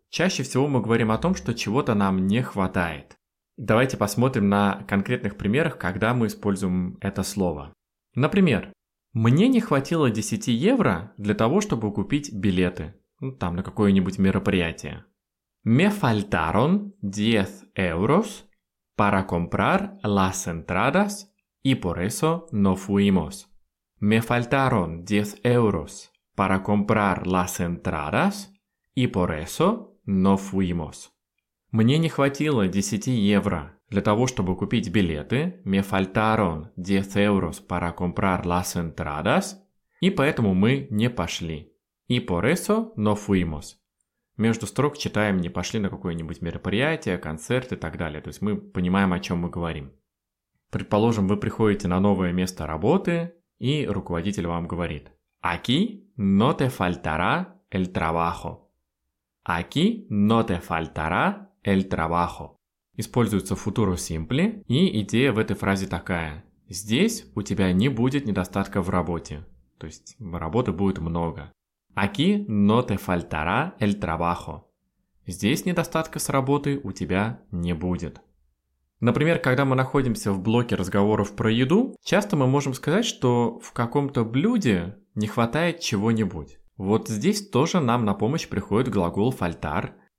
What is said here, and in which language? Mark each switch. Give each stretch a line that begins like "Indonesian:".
Russian: Чаще всего мы говорим о том, что чего-то нам не хватает. Давайте посмотрим на конкретных примерах, когда мы используем это слово. Например, «мне не хватило 10 евро для того, чтобы купить билеты». Там на какое-нибудь мероприятие.
Spanish: Me faltaron 10 euros para comprar las entradas y por eso no fuimos. Me faltaron 10 euros para comprar las entradas y por eso no fuimos.
Russian: Мне не хватило 10 евро для того, чтобы купить билеты.
Spanish: Me faltaron 10 euros para comprar las entradas
Russian: и поэтому мы не пошли.
Spanish: И por eso no fuimos.
Russian: Между строк читаем «не пошли на какое-нибудь мероприятие, концерт» и так далее. То есть мы понимаем, о чем мы говорим. Предположим, вы приходите на новое место работы, и руководитель вам говорит
Spanish: «Aquí no te faltará el trabajo». «Aquí no te faltará el trabajo».
Russian: Используется futuro simple, и идея в этой фразе такая. «Здесь у тебя не будет недостатка в работе». То есть работы будет много.
Spanish: Aquí no te faltará el trabajo.
Russian: Здесь недостатка с работы у тебя не будет. Например, когда мы находимся в блоке разговоров про еду, часто мы можем сказать, что в каком-то блюде не хватает чего-нибудь. Вот здесь тоже нам на помощь приходит глагол faltar.